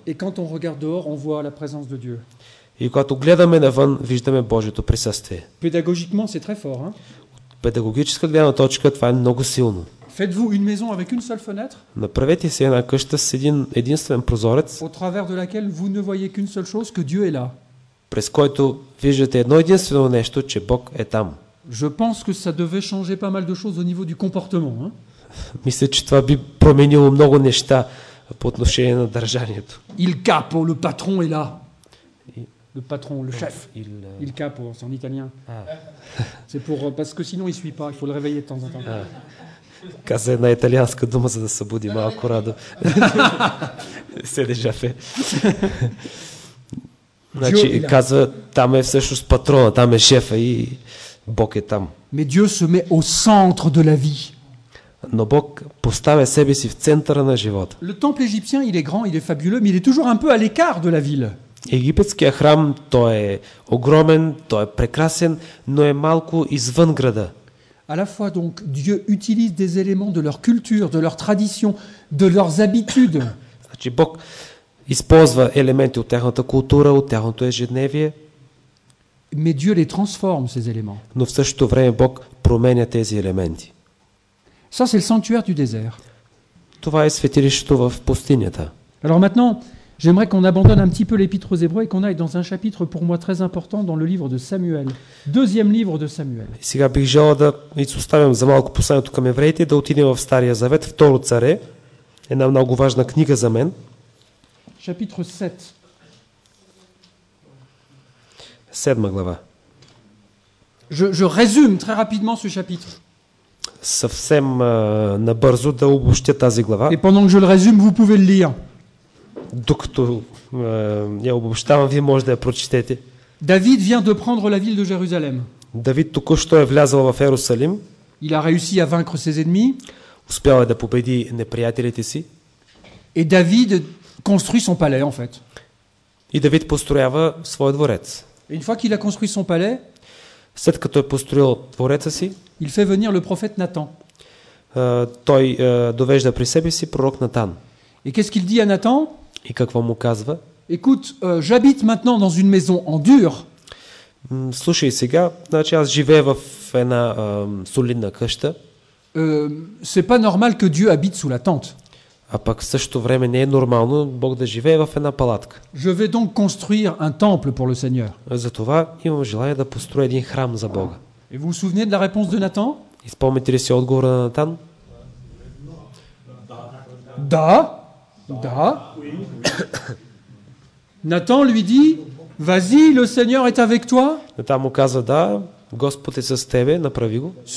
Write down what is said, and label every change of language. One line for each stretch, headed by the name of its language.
French: Et quand on regarde dehors, on voit la présence de Dieu.
Bulgarian: И когато гледаме навън, виждаме Божието присъствие.
French: Pédagogiquement, c'est très fort, hein?
Bulgarian: От педагогическа гледна точка, това е много силно.
French: Faites-vous une maison avec une seule fenêtre?
Bulgarian: Направете си една къща с един единствен прозорец.
French: Au travers de laquelle vous ne voyez qu'une seule chose, que Dieu est là.
Bulgarian: През който виждате едно единствено нещо, че Бог е там.
French: Je pense que ça devait changer pas mal de choses au niveau du comportement, hein?
Bulgarian: Мисля, че това би променило много неща по отношение на държанието.
French: Il capo, le patron est là. Le patron, le chef. Il capo, c'est en italien. C'est pour parce que sinon il suit pas, il faut le réveiller de temps en temps.
Bulgarian: Каза една италианска дума, за да се буди малко Радо. Седе жафе. Значи, казва, там е всъщност патрона, там е шефа и Бог е там.
French: Mais Dieu se met au centre de la vie.
Bulgarian: Но Бог поставя себе си в центъра на живота.
French: Le temple égyptien, il est grand, il est fabuleux, mais il est toujours un peu à l'écart de la ville.
Bulgarian: Египетският храм, той е огромен, той е прекрасен, но е малко извън града.
French: À la fois donc Dieu utilise des éléments de leur culture, de leur tradition, de leurs habitudes.
Bulgarian: Значи Бог използва елементи от тяхната култура, от тяхното ежедневие.
French: Mais Dieu les transforme ces éléments.
Bulgarian: Но в същото време Бог променя тези елементи.
French: Ça c'est le sanctuaire du désert.
Bulgarian: Това е светилището в пустинята.
French: Alors maintenant, j'aimerais qu'on abandonne un petit peu l'épître aux Hébreux et qu'on aille dans un chapitre pour moi très important dans le livre de Samuel, deuxième livre de Samuel.
Bulgarian: Сега бих желал да изоставим за малко посланието към евреите, да отидем в Стария Завет, Второ царе, една много важна книга за мен.
French: Chapitre 7.
Bulgarian: Седма глава.
French: Je résume très rapidement ce chapitre.
Bulgarian: Съвсем набързо да обобщя тази глава.
French: Et pendant que je le résume, vous pouvez le lire.
Bulgarian: Докато я обобщавам, вие може да я прочетете.
French: David vient de prendre la ville de Jérusalem.
Bulgarian: Давид току-що е влязъл в Йерусалим.
French: Il a réussi à vaincre ses ennemis.
Bulgarian: Успял е да победи неприятелите си.
French: Et David construit son palais en fait.
Bulgarian: И Давид построява своя дворец.
French: Et une fois qu'il a construit son palais,
Bulgarian: след като е построил двореца си,
French: il fait venir le prophète Nathan.
Bulgarian: Той довежда при себе си пророк Натан.
French: Et qu'est-ce qu'il dit à Nathan?
Bulgarian: Et какво му казва?
French: Écoute, j'habite maintenant dans une maison en dur.
Bulgarian: Слушай сега, значи аз живея в една солидна къща.
French: C'est pas normal que Dieu habite sous la tente.
Bulgarian: А пък в същото време не е нормално Бог да живее в една палатка.
French: Je vais donc construire un temple pour le Seigneur.
Bulgarian: Затова имам желание да построя един храм за Бога.
French: Et vous vous souvenez de la réponse de Nathan?
Bulgarian: И спомните ли си отговора на Натан? Да. Да.
French: Натан lui dit: "Vas-y, le Seigneur est avec toi."
Bulgarian: Натан му каза: "Да, Господ е с тебе, направи го."